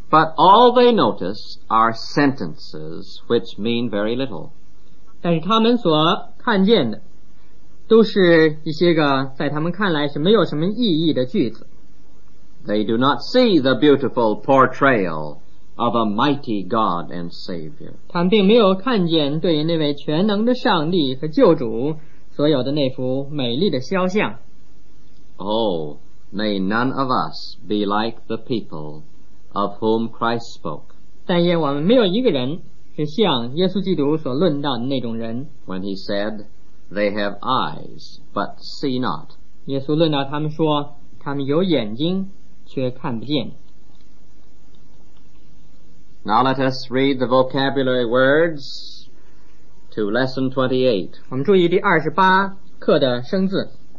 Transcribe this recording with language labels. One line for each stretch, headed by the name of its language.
English: But all they notice are sentences which mean very little.
Chinese: 但是他们所看见的，都是一些个在他们看来是没有什么意义的句子。
English: They do not see the beautiful portrayal of a mighty God and Savior.
Chinese: 他们并没有看见对于那位全能的上帝和救主所有的那幅美丽的肖像。
English: Oh, may none of us be like the people of whom Christ spoke.
Chinese: 但愿我们没有一个人是像耶稣基督所论到的那种人。
English: When he said, they have eyes, but see not.
Chinese: 耶稣论到他们说，他们有眼睛，却看不见。
English: Now let us read the vocabulary words. To lesson 28.
Chinese: 我们注意第二十八课的生字。